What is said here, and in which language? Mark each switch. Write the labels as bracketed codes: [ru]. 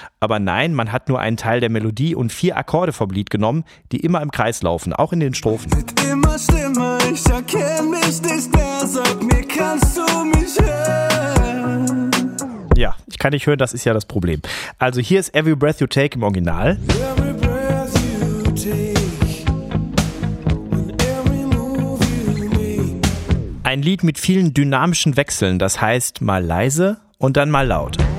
[de] Aber nein, man hat nur einen Teil der Melodie und vier Akkorde vom Lied genommen, die immer im Kreis laufen, auch in den Strophen. Wird immer schlimmer, ich erkenne mich nicht mehr, sag mir, kannst du mich hören? Ja, ich kann dich hören, das ist ja das Problem. Also hier ist Every Breath You Take im Original. [en] Every breath you take, every move you make. [de] Ein Lied mit vielen dynamischen Wechseln, das heißt mal leise und dann mal laut.